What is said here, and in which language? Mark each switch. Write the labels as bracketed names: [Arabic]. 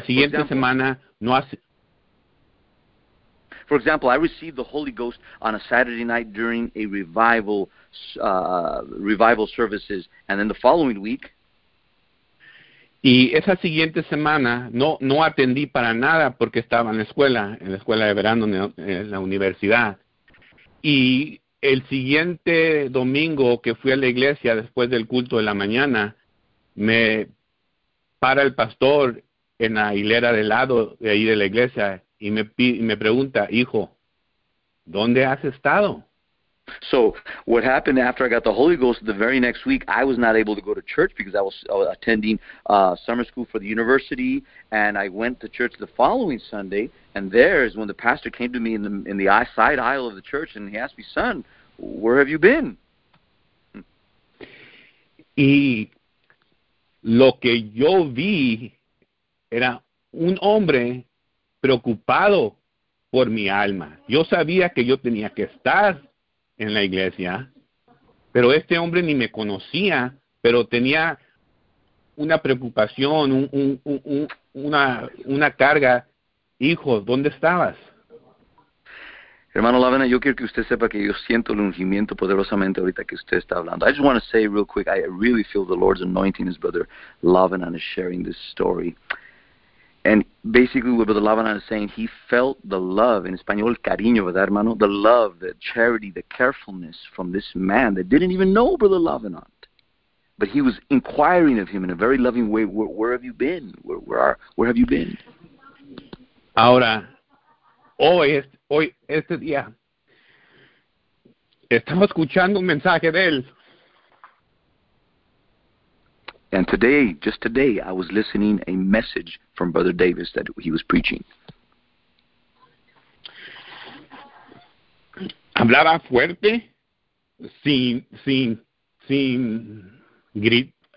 [English] For [Spanish] siguiente [English] example, [Spanish] semana no hace. [English] I received the Holy Ghost on a Saturday night during a revival services, and then the following week. [Spanish] Y esa siguiente semana no atendí para nada porque estaba en la escuela de verano, en la universidad. Y el siguiente domingo que fui a la iglesia después del culto de la mañana, me para el pastor en la hilera de lado de ahí de la iglesia y me pregunta: hijo, ¿dónde has estado? [English] So what happened after I got the Holy Ghost the very next week, I was not able to go to church because I was attending summer school for the university, and I went to church the following Sunday, and there is when the pastor came to me in the side aisle of the church, and he asked me, "Son, where have you been?" [Spanish] Y lo que yo vi era un hombre preocupado por mi alma. Yo sabía que yo tenía que estar en la iglesia, pero este hombre ni me conocía, pero tenía una preocupación, una carga. Hijo, ¿dónde estabas? Hermano Lavena, yo quiero que usted sepa que yo siento el ungimiento poderosamente ahorita que usted está hablando. [English] I just want to say real quick, I really feel the Lord's anointing as Brother Lavena is sharing this story. And basically what Brother Lavena is saying, he felt the love, [Spanish] en español, cariño, ¿verdad, hermano? [English] The love, the charity, the carefulness from this man that didn't even know Brother Lavena. But he was inquiring of him in a very loving way, where have you been? Where have you been? [Spanish] Ahora, hoy, este día, estamos escuchando un mensaje de él. [English] And today, just today, I was listening a message from Brother Davis that he was preaching. [Spanish] Hablaba fuerte, sin grit.